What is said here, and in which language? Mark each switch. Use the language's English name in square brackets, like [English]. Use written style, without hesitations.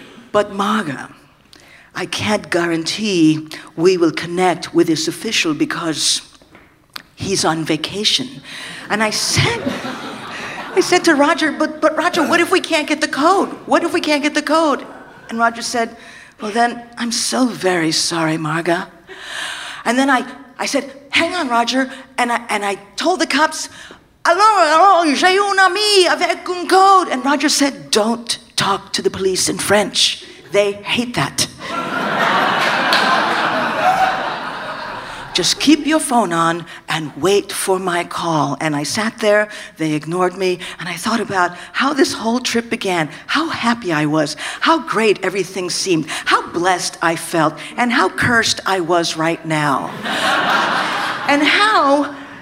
[English] But Marga, I can't guarantee we will connect with this official because he's on vacation." And I said to Roger, but Roger, what if we can't get the code? What if we can't get the code? And Roger said, "Well then, I'm so very sorry, Marga." And then I said, "Hang on, Roger." And I told the cops, [French] "Alors, alors, j'ai un ami avec un code." [English] And Roger said, "Don't talk to the police in French. They hate that. Just keep your phone on and wait for my call." And I sat there, they ignored me, and I thought about how this whole trip began, how happy I was, how great everything seemed, how blessed I felt, and how cursed I was right now. And how